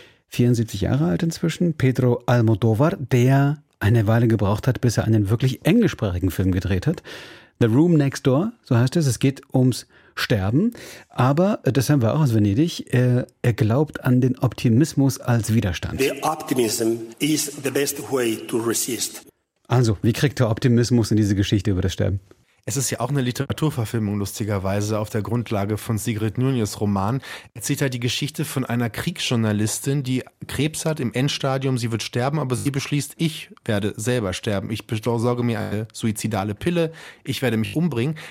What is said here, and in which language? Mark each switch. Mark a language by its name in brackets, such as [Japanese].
[German] 74 Jahre alt inzwischen, Pedro Almodóvar, der eine Weile gebraucht hat, bis er einen wirklich englischsprachigen Film gedreht hat. The Room Next Door, so heißt es. Es geht ums Sterben. Aber, das haben wir auch aus Venedig, er glaubt an den Optimismus als Widerstand. [English] The optimism is the best way to resist. [German] Also, wie kriegt der Optimismus in diese Geschichte über das Sterben? Es ist ja auch eine Literaturverfilmung, lustigerweise, auf der Grundlage von Sigrid Núñez' Roman. Erzählt halt die Geschichte von einer Kriegsjournalistin, die Krebs hat im Endstadium. Sie wird sterben, aber sie beschließt, ich werde selber sterben. Ich besorge mir eine suizidale Pille. Ich werde mich umbringen.